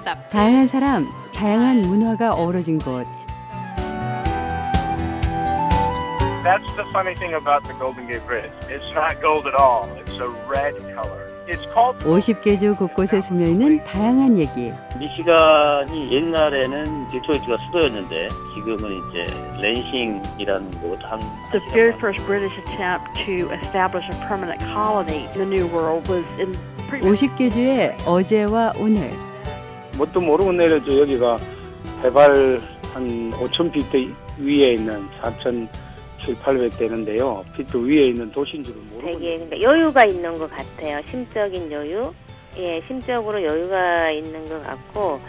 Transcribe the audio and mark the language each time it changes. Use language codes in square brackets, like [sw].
[ko] 다양한 사람, 다양한 문화가 어우러진 곳. [en] That's the funny thing about the Golden Gate Bridge. It's not gold at all. It's a red color. It's called. [ko] 50개 주 곳곳에 숨어 있는 다양한 얘기. 미시간이 옛날에는 디트로이트가 수도였는데 지금은 이제 랜싱이라는 곳 한. [en] The very first British attempt to establish a permanent colony in the New World was in. [ko] 50개 주의 어제와 오늘. 뭣도 모르고 내려져 여기가 해발 한 5,000 피트 위에 있는 4,700 되는데요. 피트 위에 있는 도시인 줄은 모르고. 되게 그러니까 여유가 있는 것 같아요. 심적인 여유. 예, 심적으로 여유가 있는 것 같고.